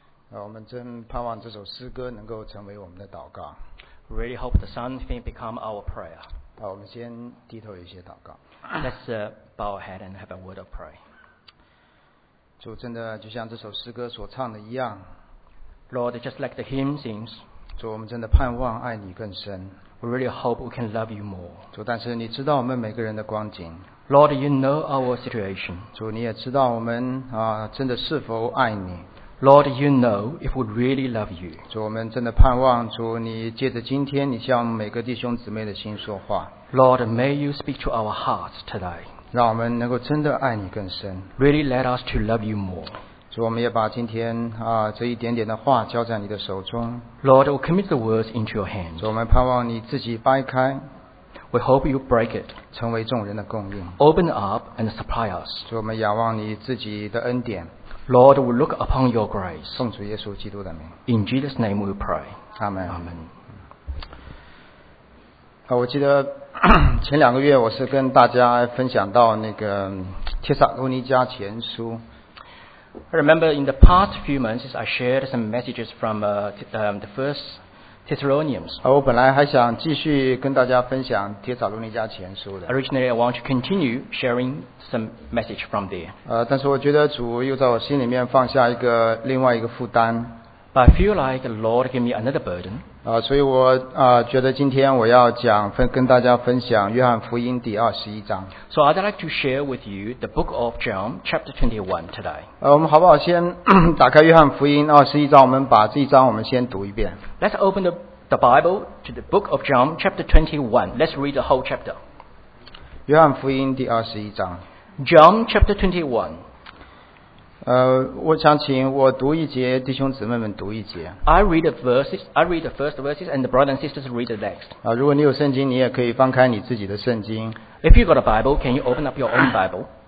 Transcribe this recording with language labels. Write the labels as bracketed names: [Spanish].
[Chinese] 我们真盼望这首诗歌能够成为我们的祷告。 [English] Really hope the song can become our prayer. [Chinese] 好，我们先低头一些祷告。 [English] Let's bow our head and have a word of prayer. [Chinese] 主，真的就像这首诗歌所唱的一样。 [English] Lord, just like the hymn sings. [Chinese] 主，我们真的盼望爱你更深。 [English] We really hope we can love you more. [Chinese] 主，但是你知道我们每个人的光景。 [English] Lord, you know our situation. [Chinese] 主，你也知道我们真的是否爱你。 [English] Lord, you know if we really love you. [Chinese] 主，我们真的盼望主，你借着今天，你向每个弟兄姊妹的心说话。 [English] Lord, may you speak to our hearts today. [Chinese] 让我们能够真的爱你更深。 [English] Really let us to love you more. [Chinese] 主，我们也把今天这一点点的话交在你的手中。 [English] Lord, we commit the words into your hands. [Chinese] 主，我们盼望你自己掰开。 [English] We hope you break it. [Chinese] 成为众人的供应。 [English] Open up and supply us. [Chinese] 主，我们仰望你自己的恩典。 [English] Lord, we look upon your grace. [Chinese] 奉主耶稣基督的名。 [English] In Jesus' name we pray. Amen. Amen. [Chinese] 我记得前两个月我是跟大家分享到那个帖撒罗尼迦前书。 [English] I remember in the past few months I shared some messages from the first Thessalonians. [Chinese] 我本来还想继续跟大家分享帖撒罗尼迦前书的。 [English] Originally, I want to continue sharing some message from there. [Chinese] 但是我觉得主又在我心里面放下一个另外一个负担。 [English] But I feel like the Lord gave me another burden. [Chinese] 所以我觉得今天我要讲跟大家分享约翰福音第二十一章。 [English] So I'd like to share with you the book of John, chapter 21 today. [Chinese] 我们好不好先打开约翰福音二十一章，我们把这一章我们先读一遍。 [English] Let's open the Bible to the book of John, chapter 21. Let's read the whole chapter. [Chinese] 约翰福音第二十一章。 [English] John, chapter 21. [Chinese] 我想请我读一节，弟兄姊妹们读一节。 [English] I read the verses. I read the first verses, and the brothers and sisters read the next. [Chinese] 如果你有圣经，你也可以翻开你自己的圣经。 [English] If you got a Bible, can you open up your own Bible?